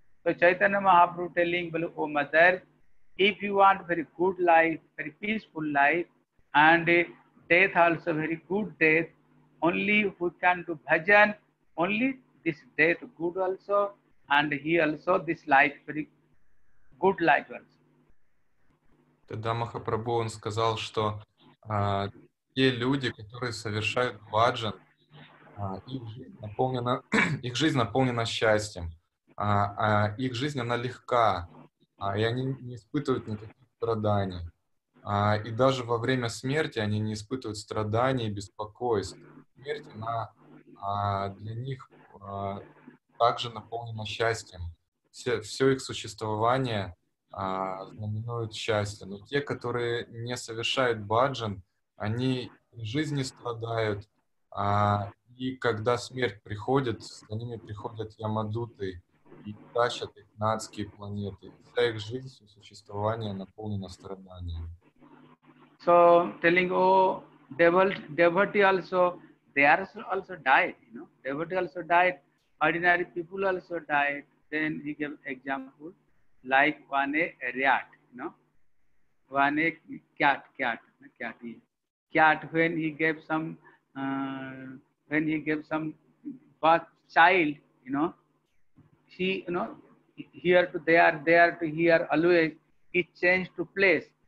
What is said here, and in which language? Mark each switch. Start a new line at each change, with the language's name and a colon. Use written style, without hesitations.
English: So Chaitanya Mahaprabhu telling, well, oh mother, if you want very good life, very peaceful life, and death also very good death, only who can do bhajan, only this death good also, and he also this life very good life also.
Russian: Тогда Махапрабху он сказал, что те люди, которые совершают бхаджан, их жизнь наполнена счастьем, их жизнь она легка, и они не испытывают никаких страданий. И даже во время смерти они не испытывают страданий и беспокойств. Смерть, она для них также наполнена счастьем. Все их существование знаменует счастье. Но те, которые не совершают бхаджан, они в жизни страдают. И когда смерть приходит, за ними приходят ямадуты и тащат их на адские планеты. Вся их жизнь, все существование наполнено страданием.
English: So, telling, devotee also, they also died, you know. Devotee also died, ordinary people also died. Then he gave example, like one a rat, you know. One a cat, when he gave some, birth child, you know, he, you know, here to there to here, always, it changed to place.